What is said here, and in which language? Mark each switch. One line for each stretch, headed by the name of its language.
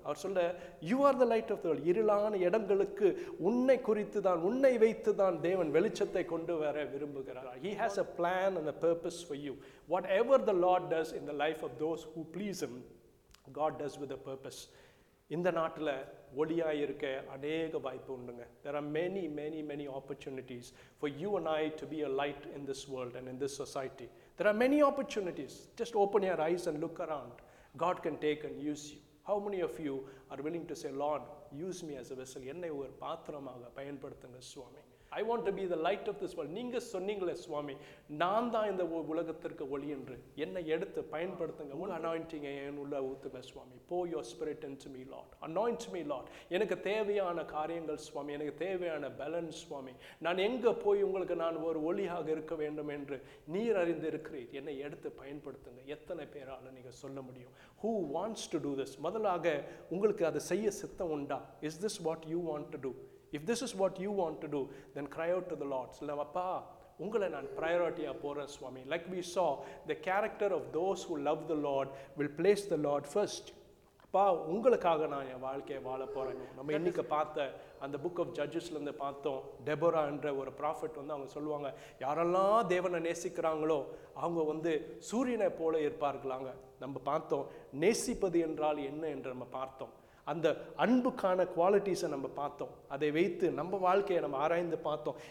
Tamil: அவர் சொல்ல,
English: You are the light of the world.
Tamil: இருளான இடங்களுக்கு உன்னை குறித்து தான், உன்னை வைத்து தான் தேவன் வெளிச்சத்தை கொண்டு வர விரும்புகிறார்.
English: He has a plan and a purpose for you. Whatever the Lord does in the life of those who please him, God does with a purpose.
Tamil: இந்த நாட்டில் ஒளியாக இருக்க அநேக வாய்ப்பு உண்டுங்க.
English: There are many, many, many opportunities for you and I to be a light in this world and in this society. There are many opportunities. Just open your eyes and look around. God can take and use you. How many of you are willing to say, Lord, use me as a vessel?
Tamil: என்னை ஒரு பாத்திரமாக பயன்படுத்துங்க சுவாமி.
English: I want to be the light of this world.
Tamil: நீங்க சொன்னீங்களே சுவாமி, நான் தான் இந்த உலகத்திற்கு ஒளி என்று என்னை எடுத்து பயன்படுத்துங்க. உங்கள் அனாயிண்டிங்கை என் உள்ள ஊத்துங்க சுவாமி.
English: Pour your spirit into me Lord, anoint me Lord.
Tamil: எனக்கு தேவையான காரியங்கள் சுவாமி, எனக்கு தேவையான பேலன்ஸ் சுவாமி. நான் எங்கே போய் உங்களுக்கு நான் ஒரு ஒளியாக இருக்க வேண்டும் என்று நீர் அறிந்திருக்கிறீர், என்னை எடுத்து பயன்படுத்துங்க. எத்தனை பேரால் நீங்கள் சொல்ல முடியும்?
English: Who wants to do this?
Tamil: முதலாக உங்களுக்கு அதை செய்ய சித்தம் உண்டா?
English: Is this what you want to do? If this is what you want to do, then cry out to the Lord.
Tamil: Sallam appa, ungala naan priority a poran swami.
English: Like we saw, the character of those who love the Lord will place the Lord first.
Tamil: Appa, ungalukkaga naan en vaalkaiya vaala poran. Nama innikku paatha அந்த book of ஜட்ஜஸ்ல இருந்து பார்த்தோம், டெபோரான்ற ஒரு profit வந்து அவங்க சொல்லுவாங்க, யாரெல்லாம் தேவனை நேசிக்கிறாங்களோ அவங்க வந்து சூரியனை போல இருப்பார்களாங்க. நம்ம பார்த்தோம் நேசிப்பது என்றால் என்ன என்று நம்ம பார்த்தோம். அந்த அன்புக்கான குவாலிட்டிஸை நம்ம பார்த்தோம். அதை வைத்து நம்ம வாழ்க்கையை நம்ம ஆராய்ந்து பார்த்தோம்.